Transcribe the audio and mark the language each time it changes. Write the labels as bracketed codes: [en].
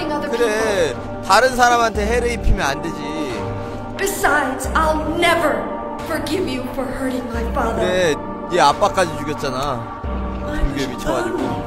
[ko] 그래, 다른 사람한테 해를 입히면 안 되지. [en] Besides, I'll never forgive you for hurting my father. [ko] 그래, 네 아빠까지 죽였잖아. 그게 미쳐가지고.